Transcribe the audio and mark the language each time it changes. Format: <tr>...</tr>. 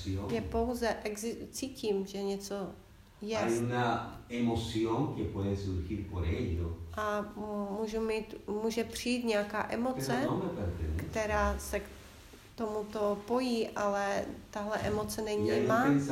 <cs>Je pouze, cítím, že něco je.</cs> <es>Una emoción que puede surgir por ello.</es> <cs>A může přijít nějaká emoce, která se k tomuto pojí, ale tahle emoce není má.</cs>